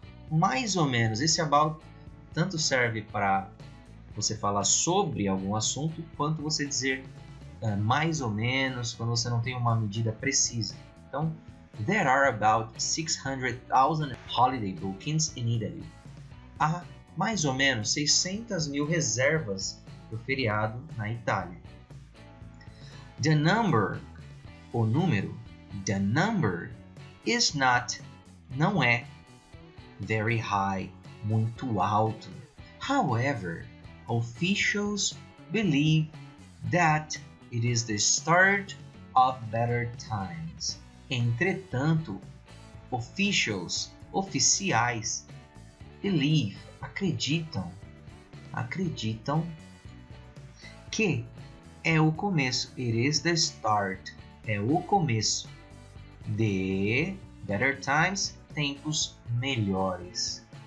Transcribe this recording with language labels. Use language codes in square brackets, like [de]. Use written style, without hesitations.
[pt] Mais ou menos, esse about tanto serve para você falar sobre algum assunto, quanto você dizer mais ou menos, quando você não tem uma medida precisa. [en] Então, there are about 600,000 holiday bookings in Italy. [pt] Há mais ou menos 600 mil reservas para o feriado na Itália. [en] The number, [pt] o número, [en] the number is not, [pt] não é, [en] very high, [pt] muito alto. [en] However, officials believe that it is the start of better times. [pt] Entretanto, oficiais, believe, acreditam que é o começo. [en] It is the start. [pt] É o começo de [en] better times, [pt] tempos melhores.